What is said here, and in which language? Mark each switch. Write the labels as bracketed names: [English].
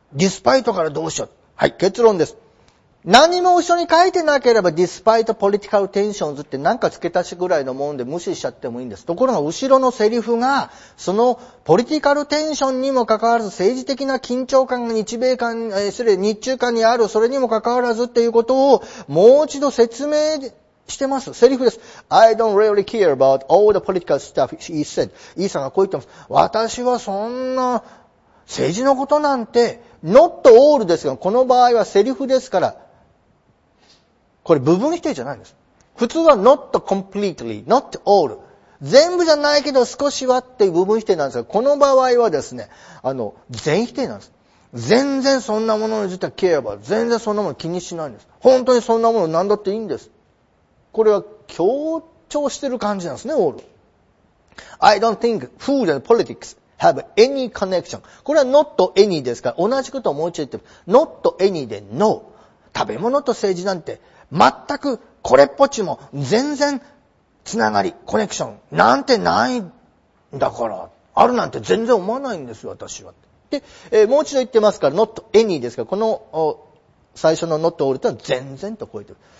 [Japanese] ディスパイトからどうしよう。はい、結論です。何も後ろに書いてなければ、ディスパイトポリティカルテンションズって何か付け足しぐらいのもんで無視しちゃってもいいんです。ところが後ろのセリフが、そのポリティカルテンションにもかかわらず、政治的な緊張感が日中間にある、それにもかかわらずっていうことをもう一度説明してます。セリフです。 [English] I don't really care about all the political stuff he said. [Japanese] イーさんがこう言ってます。私はそんな政治のことなんて、not all ですが、この場合はセリフですから、これ部分否定じゃないんです。普通は [English] not completely, not all。 [Japanese] 全部じゃないけど少しはっていう部分否定なんですが、この場合はですね、全否定なんです。全然そんなものについては care about。全然そんなもの気にしないんです。本当にそんなもの何だっていいんです。これは強調してる感じなんですね、オール。 [English] I don't think food and politics have any connection. [Japanese] これは not any ですから、同じことをもう一度言っても、not any で no。食べ物と政治なんて、全くこれっぽっちも全然つながり、コネクションなんてないんだから、あるなんて全然思わないんですよ、私は。で、もう一度言ってますから、not any ですから、この最初の not all というのは全然と超えてる。